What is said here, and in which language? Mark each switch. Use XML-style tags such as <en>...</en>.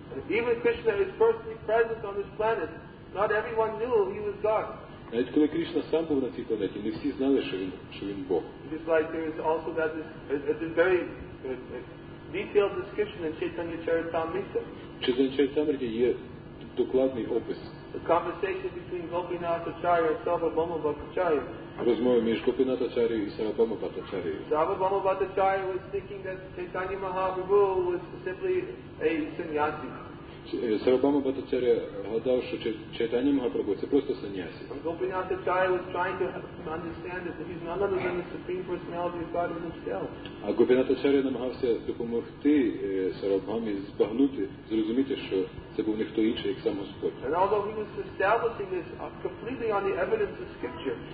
<en>Even Krishna is personally present on this planet. Not everyone knew he was God.</en> <uk>Навіть коли Кришна сам був на цій планеті, не всі знали, що він Бог.</uk> <en>Just like there is also that this very detailed description in Chaitanya Charitamrita.</en> <uk>Chaitanya Charitamrita є докладний опис.</uk> <en>The conversation between Gopinatha Acharya and Sarvabhauma Bhattacharya.</en> <uk>Розмови між Гопінатха Ачар'єю і Сарвабхаума Бхаттачар'єю.</uk> <en>Сарвабхаума Бхаттачар'я was thinking that Chaitanya Mahaprabhu was simply a sannyasi.</en> <uk>Сарвабхаума Бхаттачар'я гадав, що Чайтанья Махапрабху це просто саньясі.</uk> <en>Гопінатха Ачар'я was trying to understand that he's none other than the Supreme Personality of God himself.</en> <uk>А Гопінатха Ачар'я намагався допомогти Сарвабхаумі збагнути, зрозуміти, що це був не хто інший, як сам Господь.</uk> <en>And although he was establishing this completely on the evidence of scripture.</en>